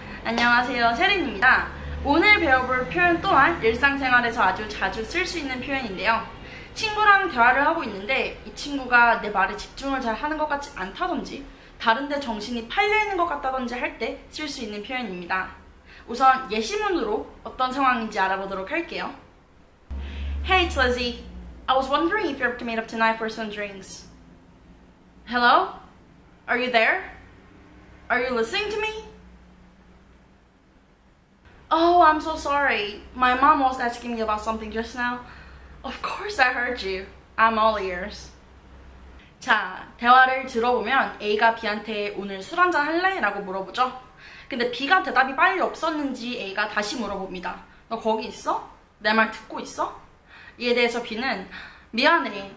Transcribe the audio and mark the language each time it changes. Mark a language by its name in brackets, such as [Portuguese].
[Korean] 안녕하세요, 세린입니다. 오늘 배워볼 표현 또한 일상생활에서 아주 자주 쓸 수 있는 표현인데요. 친구랑 대화를 하고 있는데 이 친구가 내 말에 집중을 잘 하는 것 같지 않다든지 다른데 정신이 팔려있는 것 같다든지 할 때 쓸 수 있는 표현입니다. 우선 예시문으로 어떤 상황인지 알아보도록 할게요. [English] Hey, it's Lizzie. I was wondering if you're up to meet up tonight for some drinks. Hello? Are you there? Are you listening to me? Oh, I'm so sorry. My mom was asking me about something just now. Of course I heard you. I'm all ears. [Korean] 자, 대화를 들어보면 A가 B한테 오늘 술 한잔 할래? 라고 물어보죠. 근데 B가 대답이 빨리 없었는지 A가 다시 물어봅니다. 너 거기 있어? 내 말 듣고 있어? 이에 대해서 B는 미안해.